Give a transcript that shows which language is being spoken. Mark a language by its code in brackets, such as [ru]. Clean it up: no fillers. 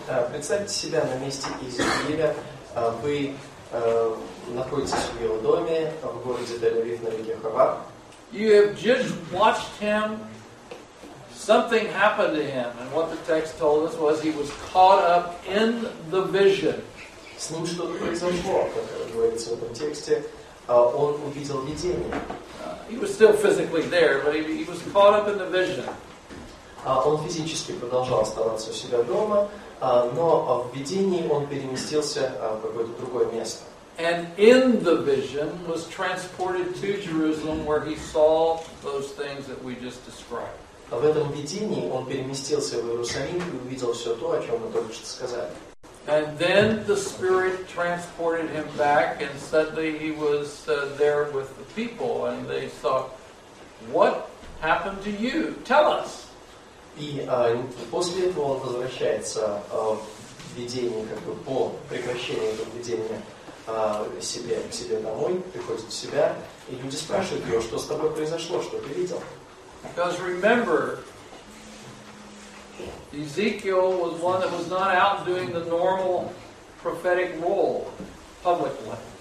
[ru] Представьте себя на месте Иезекииля. Вы находитесь в его доме в городе Тель-Авив на реке Хавар. [en] You have just watched him. Something happened to him, and what the text told us was he was caught up in the vision. [ru] С ним что-то произошло, как говорится в этом тексте. Он увидел видение. [en] He was still physically there, but he was caught up in the vision. [ru] Он физически продолжал оставаться у себя дома, но в видении он переместился в какое-то другое место. [en] And in the vision was transported to Jerusalem, where he saw those things that we just described. [ru] В этом видении он переместился в Иерусалим и увидел все то, о чем мы только что сказали. [en] And then the Spirit transported him back, and suddenly he was there with the people, and they thought, "What happened to you? Tell us." [ru] И после этого он возвращается в видение, как бы по прекращению этого видения к себе домой, приходит в себя, и люди спрашивают его, что с тобой произошло, что ты видел. [en] Because remember, Ezekiel was one that was not out doing the normal prophetic role publicly.